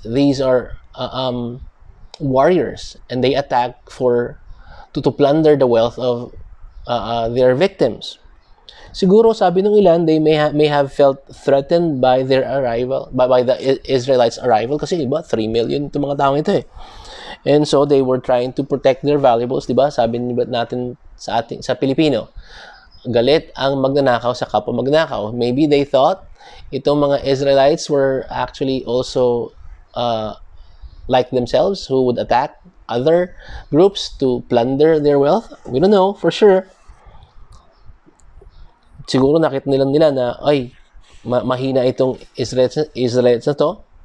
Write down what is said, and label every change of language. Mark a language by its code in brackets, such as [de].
[en] These are warriors, and they attack to plunder the wealth of their victims. [tl] Siguro sabi ng ilan, [en] they may have felt threatened by their arrival, by the Israelites' arrival, [tl] kasi iba, 3 million itong mga taong ito eh. [en] And so they were trying to protect their valuables, diba? [tl] Sabi natin sa Pilipino, galit ang magnanakaw sa kapwa magnanakaw. [en] Maybe they thought [tl] itong mga [en] Israelites were actually also like themselves, who would attack other groups to plunder their wealth. We don't know for sure. [tl] Siguro nakita nila na, ay, mahina itong Israelites na to.